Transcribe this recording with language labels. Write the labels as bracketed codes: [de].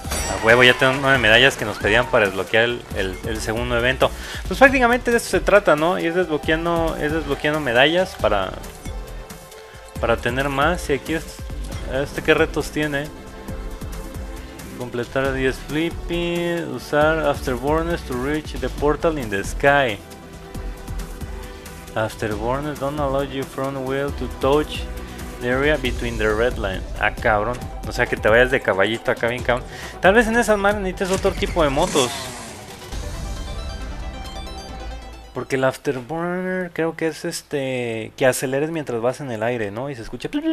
[es] A huevo, ya tengo 9 medallas que nos pedían para desbloquear el segundo evento. Pues prácticamente de eso se trata, ¿no? Ir desbloqueando medallas para tener más. Y aquí, este qué retos tiene. Completar 10 flippy. Usar [en] Afterburners to reach the portal in the sky. Afterburners don't allow you front wheel to touch the area between the red lines. [es] Ah, cabrón. O sea, que te vayas de caballito acá bien, cabrón. Tal vez en esas manos necesites otro tipo de motos. Porque el Afterburner creo que es que aceleres mientras vas en el aire, ¿no? Y se escucha.